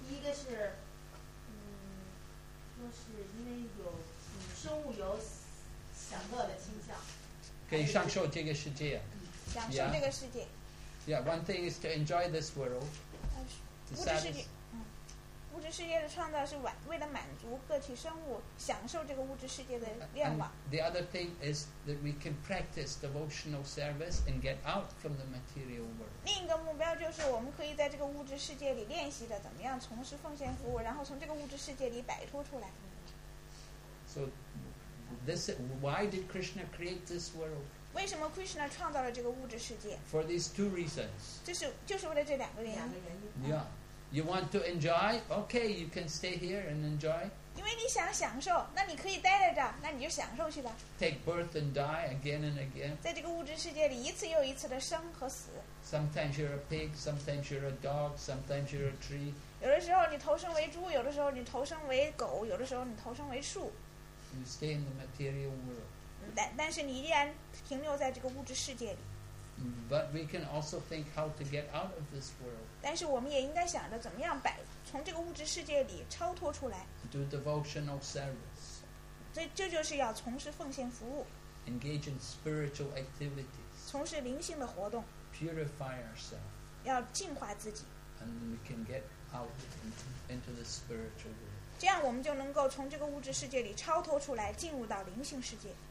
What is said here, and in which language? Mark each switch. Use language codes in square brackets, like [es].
[zh] 第一个是，就是因为有生物有享乐的倾向。可以享受这个世界。享受这个世界。 [en] Yeah, one thing is to enjoy this world. [zh] 物质世界，物质世界的创造是为了满足个体生物享受这个物质世界的愿望。 [en] And the other thing is that we can practice devotional service and get out from the material world. [zh] 另一个目标就是我们可以在这个物质世界里练习的怎么样从事奉献服务，然后从这个物质世界里摆脱出来。 [en] So, this why did Krishna create this world? [zh] 为什么 Krishna 创造了这个物质世界？ [en] For these two reasons. [zh] 就是为了这两个原因。 [en] Yeah. You want to enjoy? Okay, you can stay here and enjoy. [zh] 因为你想享受，那你可以待在这儿，那你就享受去吧。 [en] Take birth and die again and again. [zh] 在这个物质世界里，一次又一次的生和死。 [en] Sometimes you're a pig, sometimes you're a dog, sometimes you're a tree. [zh] 有的时候你投生为猪，有的时候你投生为狗，有的时候你投生为树。 [en] You stay in the material world. [zh] 但是你依然停留在这个物质世界里。 [en] But we can also think how to get out of this world. [zh] 但是我们也应该想着怎么样摆从这个物质世界里超脱出来。 [en] Do devotional service. [zh] 这就是要从事奉献服务。 [en] Engage in spiritual activities. [zh] 从事灵性的活动。 [en] Purify ourselves. [zh] 要净化自己。 [en] And we can get out into the spiritual world. [zh] 这样我们就能够从这个物质世界里超脱出来，进入到灵性世界。